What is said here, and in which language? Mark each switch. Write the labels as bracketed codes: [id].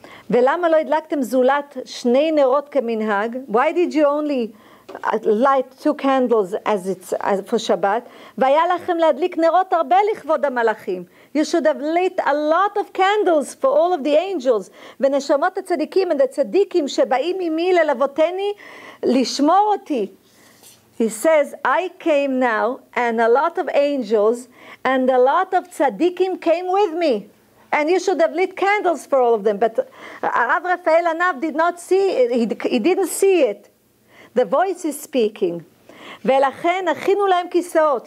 [he] ולמה לא הדלקתם זולת שני נרות כמנהג? [en] Why did you only light two candles as it's as for Shabbat? [he] והיה לכם להדליק נרות הרבה לכבוד המלאכים. [en] You should have lit a lot of candles for all of the angels. [he] ונשמות הצדיקים [en] and the tzaddikim [he] שבאים ממי ללוותני לשמור אותי. [en] He says, I came now and a lot of angels and a lot of tzaddikim came with me. And you should have lit candles for all of them. But Rav Rafael Anav did not see it. He didn't see it. The voice is speaking. [he] ולכן הכינו להם כיסאות.